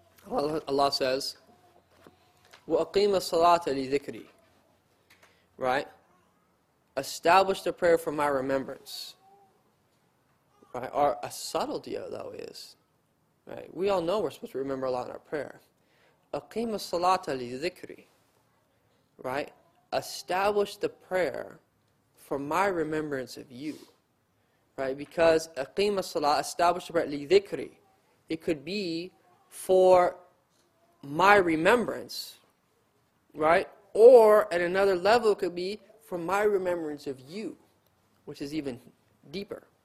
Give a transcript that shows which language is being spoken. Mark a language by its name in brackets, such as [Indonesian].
[English] Allah says, [Arabic] وَأَقِيمَ الصَّلَاةَ لِذِكْرِي, [English] right? Establish the prayer for my remembrance. Right? Or a subtlety, though, is, right? We all know we're supposed to remember a lot in our prayer. [Arabic] أَقِيمَ الصَّلَاةَ لِذِكْرِي, [English] right? Establish the prayer for my remembrance of you. Right, because aqim as-salah, establish the prayer, li-dhikri, it could be for my remembrance, right? Or at another level, it could be for my remembrance of you, which is even deeper.